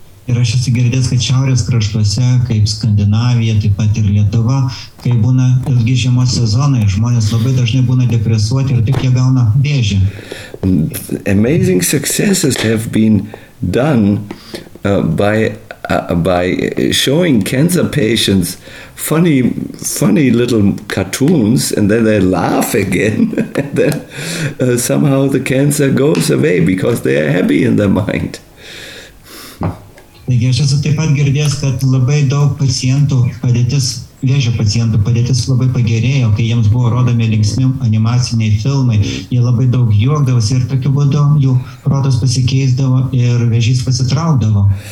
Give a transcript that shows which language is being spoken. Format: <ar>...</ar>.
<lt>Ir aš esu girdęs, kad šiaurės kraštuose, kaip Skandinavija, taip pat ir Lietuva, kai būna ilgi žiemos sezonai, žmonės labai dažnai būna depresuoti ir tik jie gauna vėžį.</lt> <en>Amazing successes have been done by showing cancer patients funny little cartoons, and then they laugh again, and then somehow the cancer goes away because they are happy in their mind.</en> <lt>Taigi, aš esu taip pat girdėjęs, kad labai daug pacientų padėtis, vėžio pacientų padėtis labai pagerėjo, kai jiems buvo rodomi linksmi animaciniai filmai, jie labai daug juokdavosi ir tokiu būdu jų protas pasikeisdavo ir vėžys pasitraukdavo.</lt>